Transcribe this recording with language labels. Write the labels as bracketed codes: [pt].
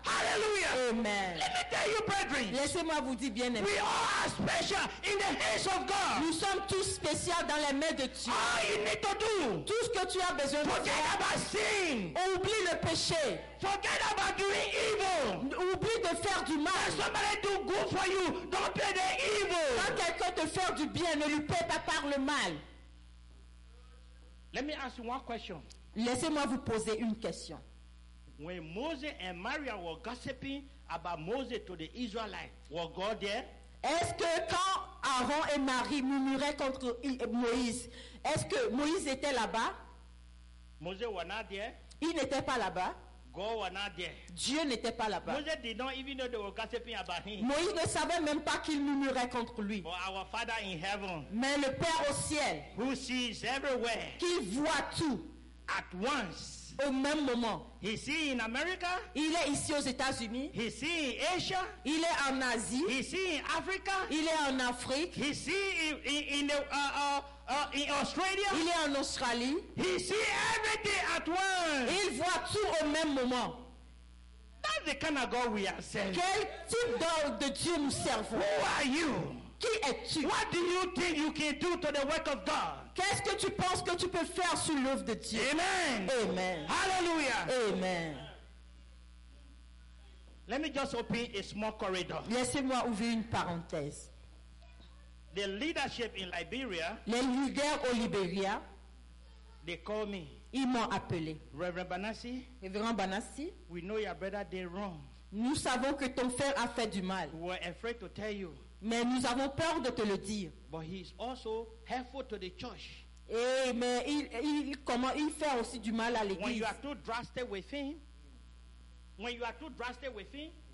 [en] Hallelujah. Amen. Let me tell you, brethren. [fr] Laissez-moi vous dire, bien-aimés. [en] We all are special in the hands of God. [fr] Nous sommes tous spéciaux dans les mains de Dieu. [en] All you need to do. [fr] Tout ce que tu as besoin. [en] Forget about sin. [fr] Oublie le péché. [en] Forget about doing evil. [fr] Oublie de faire du mal. [en] If somebody do good for you, don't pay the evil. [fr] Quand quelqu'un te fait du bien, ne lui paie pas par le mal. [en] Let me ask you one question. [fr] Laissez-moi vous poser une question. [en] When Moses and Miriam were gossiping about Moses to the Israelites, was God there? [fr] Est-ce que quand Aaron et Marie murmuraient contre Moïse, est-ce que Moïse était là-bas? [en] Moïse was not there. [fr] Il n'était pas là-bas. [en] God was not there. [fr] Dieu n'était pas là-bas. [en] Moïse did not even know they were gossiping about him. [fr] Moïse ne savait même pas qu'il murmurait contre lui. [en] But our Father in heaven, [fr] mais le Père au ciel, [en] who sees everywhere, [fr] qui voit tout, [en] at once, [fr] au même moment. [en] He's in America. [fr] Il est ici aux États-Unis. [en] He's in Asia. [fr] Il est en Asie. [en] He's in Africa. [fr] Il est en Afrique. [en] He's in Australia. [fr] Il est en Australie. [en] He's in everything at once. [fr] Il voit tout au même moment. [en] That's the kind of God we are serving. [fr] Quel type de Dieu nous servons? [en] Who are you? [fr] Qui es-tu? [en] What do you think you can do to the work of God? [fr] Qu'est-ce que tu penses que tu peux faire sur l'œuvre de Dieu? [en] Amen. Amen. Hallelujah. Amen. Let me just open a small corridor. [fr] Laissez-moi ouvrir une parenthèse. [en] The leadership in Liberia. [fr] Les leaders au Liberia. [en] They call me. [fr] Ils m'ont appelé. [en] Reverend Banassi. Reverend Banassi. We know your brother did wrong. [fr] Nous savons que ton frère a fait du mal. [en] We're afraid to tell you. [fr] Mais nous avons peur de te le dire. [en] But he is also helpful to the church. [fr] Mais il fait aussi du mal à l'église. [en] When you are too drastic with him, when you are too drastic with him,